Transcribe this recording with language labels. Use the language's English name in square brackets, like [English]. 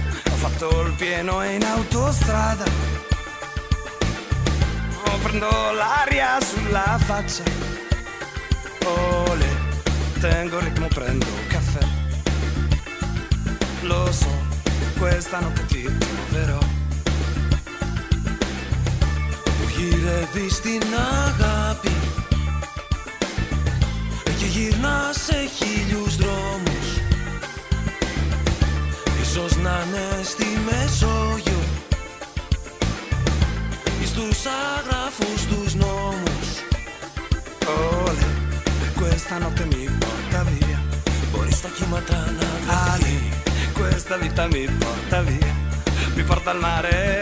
[Italian] Ho fatto il pieno in autostrada, prendo l'aria sulla faccia. Olè, tengo il ritmo, prendo il caffè. Lo so, questa notte ti troverò. [Greek] Γύρε δει στην αγάπη και γυρνά σε χίλιους δρόμους. Ίσως να είναι στη Μεσόγειο ή στους αγράφους τους νόμους. [Italian] Όλε, questa notte mi porta via. [Greek] Μπορεί στα κύματα να βγει. [Italian] Questa vita mi porta via. Mi porta al mare.